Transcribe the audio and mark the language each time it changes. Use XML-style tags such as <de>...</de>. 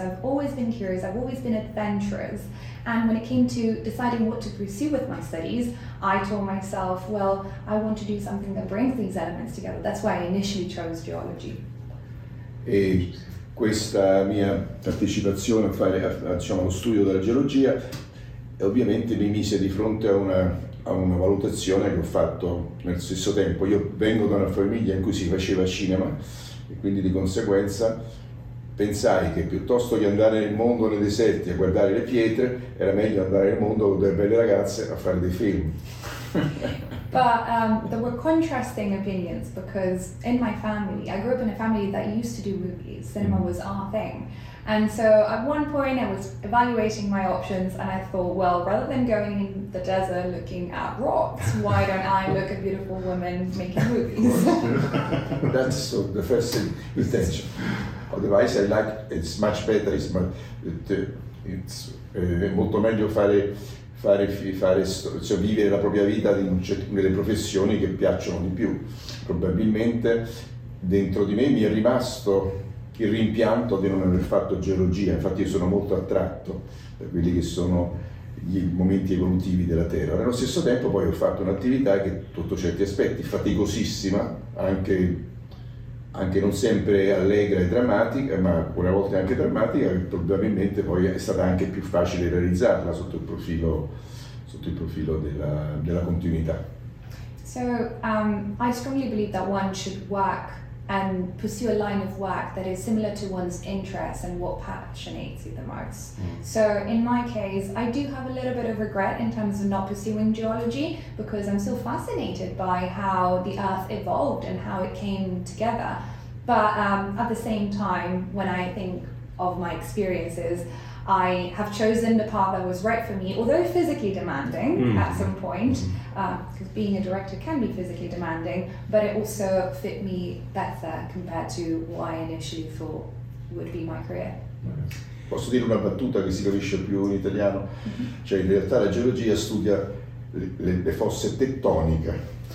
<en>I've always been curious, I've always been adventurous, and when it came to deciding what to pursue with my studies, I told myself, well, I want to do something that brings these elements together. That's why I initially chose geology.</en> <it>E questa mia partecipazione a fare, diciamo, lo studio della geologia ovviamente mi mise di fronte a una valutazione che ho fatto nel stesso tempo. Io vengo da una famiglia in cui si faceva cinema, e quindi di conseguenza pensai che piuttosto che andare nel mondo nei deserti a guardare le pietre era meglio andare nel mondo con delle belle ragazze a fare dei film.</it> <en>But there were contrasting opinions, because in my family, I grew up in a family that used to do movies. Cinema was our thing. And so at one point I was evaluating my options and I thought, well, rather than going in the desert looking at rocks, why don't I look at beautiful women making movies? That's the first thing, intention. Otherwise, I like, it's much better, it's much, it's</en> <it>molto meglio fare fare cioè vivere la propria vita nelle professioni che piacciono di più. Probabilmente dentro di me mi è rimasto il rimpianto di non aver fatto geologia, infatti io sono molto attratto da quelli che sono gli momenti evolutivi della Terra. Nello stesso tempo poi ho fatto un'attività che sotto certi aspetti faticosissima, anche non sempre allegra e drammatica, ma una volta anche drammatica, probabilmente poi è stata anche più facile realizzarla sotto il profilo della continuità.</it> <en>So I strongly believe that one should work and pursue a line of work that is similar to one's interests and what passionates you the most. So in my case, I do have a little bit of regret in terms of not pursuing geology, because I'm so fascinated by how the Earth evolved and how it came together. But at the same time, when I think of my experiences, I have chosen the path that was right for me, although physically demanding at some point, because being a director can be physically demanding, but it also fit me better compared to what I initially thought would be my career.</en> <it>Posso dire una battuta che si capisce più in italiano? Cioè, in realtà la geologia studia le fosse tettoniche.</it>